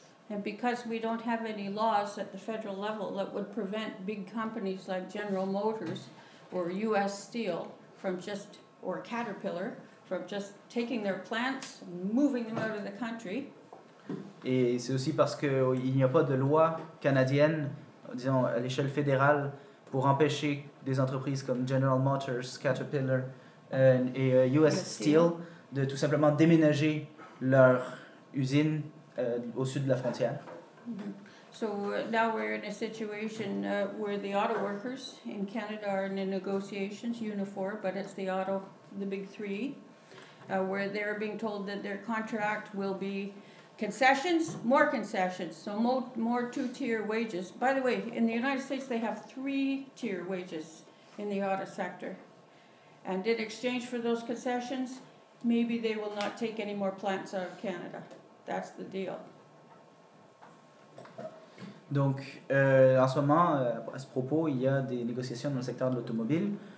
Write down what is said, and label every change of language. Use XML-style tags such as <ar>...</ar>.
<en>And because we don't have any laws at the federal level that would prevent big companies like General Motors or U.S. Steel from just, or Caterpillar, from just taking their plants, moving them out of the country.</en> <fr>Et c'est aussi parce qu'il n'y a pas de loi canadienne, disons, à l'échelle fédérale, pour empêcher des entreprises comme General Motors, Caterpillar et US Steel de tout simplement déménager leur usine au sud de la frontière.</fr> <en>So now we're in a situation where the auto workers in Canada are in negotiations, Unifor, but it's the auto, the big three, where they're being told that their contract will be concessions, so more two-tier wages. By the way, in the United States, they have three-tier wages in the auto sector. And in exchange for those concessions, maybe they will not take any more plants out of Canada. That's the deal.</en> <fr>Donc, en ce moment, à ce propos, il y a des négociations dans le secteur de l'automobile.</fr>